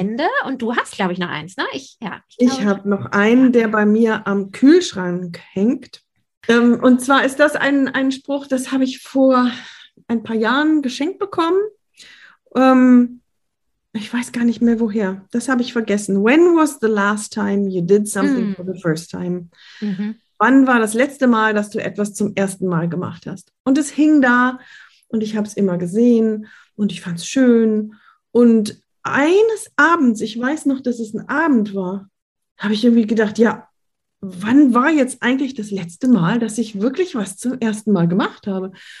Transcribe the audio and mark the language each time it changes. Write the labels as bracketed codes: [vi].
[de] Ende und du hast, glaube ich, noch eins, ne? Ich glaube, ich habe noch habe. einen, der bei mir am Kühlschrank hängt. Und zwar ist das ein Spruch, das habe ich vor ein paar Jahren geschenkt bekommen. Ich weiß gar nicht mehr woher. Das habe ich vergessen. [en] When was the last time you did something for the first time? [de] Wann war das letzte Mal, dass du etwas zum ersten Mal gemacht hast? Und es hing da und ich habe es immer gesehen und ich fand es schön. Und eines Abends, ich weiß noch, dass es ein Abend war, habe ich irgendwie gedacht, ja, wann war jetzt eigentlich das letzte Mal, dass ich wirklich was zum ersten Mal gemacht habe?